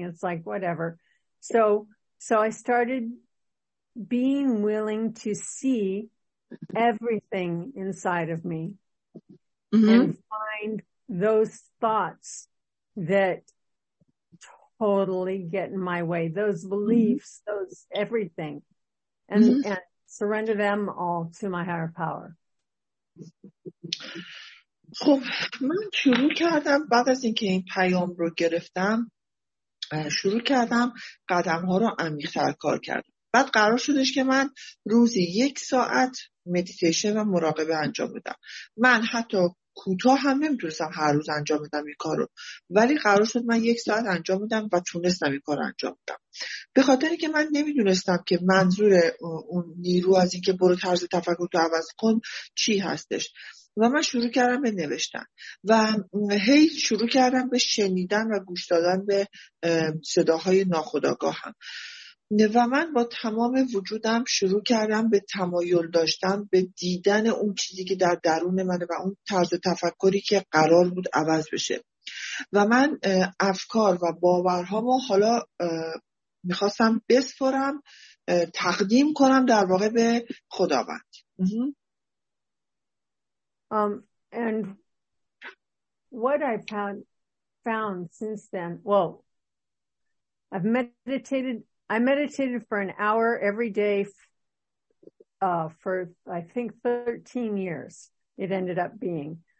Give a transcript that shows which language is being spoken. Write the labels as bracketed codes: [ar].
[en] It's like, whatever. So I started being willing to see everything inside of me, mm-hmm. and find those thoughts that totally get in my way, those beliefs, mm-hmm. those everything, and, mm-hmm. and surrender them all to my higher power. [fa] خب من شروع کردم بعد از اینکه این پیام رو گرفتم، شروع کردم قدم ها رو عمیق‌تر کار کردم. بعد قرار شدش که من روزی یک ساعت مدیتیشن و مراقبه انجام بدم. من حتی کوتاه هم نمیتونستم هر روز انجام بدم این کار رو، ولی قرار شد من یک ساعت انجام بدم و تونستم این کار رو انجام بدم. به خاطر اینکه من نمیدونستم که منظور اون نیرو از اینکه برو طرز تفکر تو عوض کن چی هستش، و من شروع کردم به نوشتن و هی شروع کردم به شنیدن و گوش دادن به صداهای ناخودآگاهم، و من با تمام وجودم شروع کردم به تمایل داشتن به دیدن اون چیزی که در درون منه و اون طرز تفکری که قرار بود عوض بشه. و من افکار و باورهامو حالا میخواستم بسپرم، تقدیم کنم در واقع به خداوند. [en] And what I've found since then, well, I meditated for an hour every day for I think 13 years it ended up being.